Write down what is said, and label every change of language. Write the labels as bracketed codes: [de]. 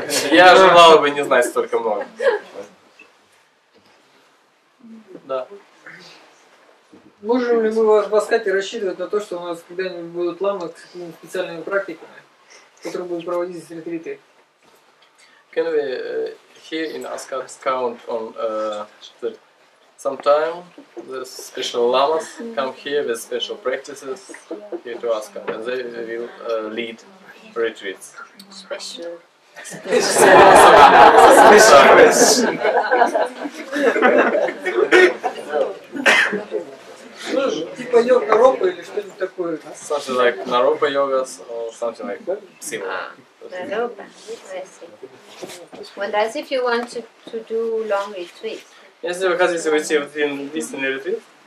[ru] Я желал бы не знать столько много. Да. Можем ли мы воскать и рассчитывать на то, что у нас когда-нибудь будут ламы с специальными практиками, которые будут проводить здесь ретриты? [en] Can we here in Ascot count on that sometime the special lamas come here with special practices here to Ascot and they will lead retreats? Special. Special. [ru] Слышь, типа йога Наропа или что-нибудь такое? [en] Something like Наропа йога, or something like Сива. Наропа, interesting. Well, that's if you want to do long [ru] retreat. Если вы хотите уйти в длинный ретрит.